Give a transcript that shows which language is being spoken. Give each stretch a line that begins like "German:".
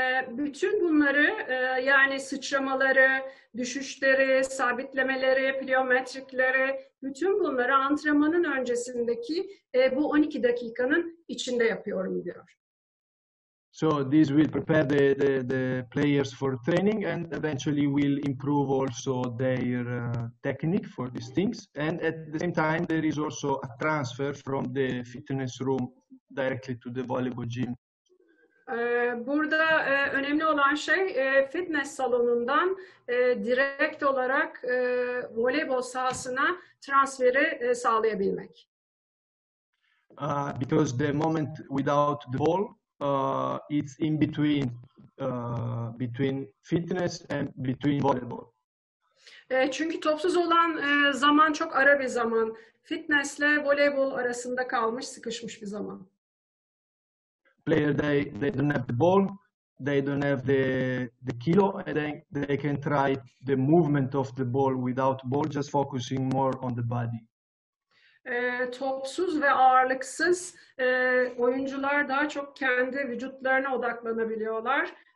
Turkish: Bütün bunları, yani sıçramaları, düşüşleri, sabitlemeleri, plyometrikleri, bütün bunları antrenmanın öncesindeki bu 12 dakikanın içinde yapıyorum diyor.
English: So this will prepare the players for training and eventually will improve also their technique for these things. And at the same time, there is also a transfer from the fitness room directly to the volleyball gym.
Turkish: Burada önemli olan şey fitness salonundan direkt olarak voleybol sahasına transferi sağlayabilmek.
English: Because the moment without the ball, it's in between between fitness and between volleyball.
Turkish: Çünkü topsuz olan zaman çok ara bir zaman. Fitnessle voleybol arasında kalmış, sıkışmış bir zaman.
English: Player they don't have the ball, they don't have the kilo, and then they can try the movement of the ball without ball, just focusing more on the body.
Turkish: Topsuz ve ağırlıksız oyuncular daha çok kendi vücutlarına odaklanabiliyorlar.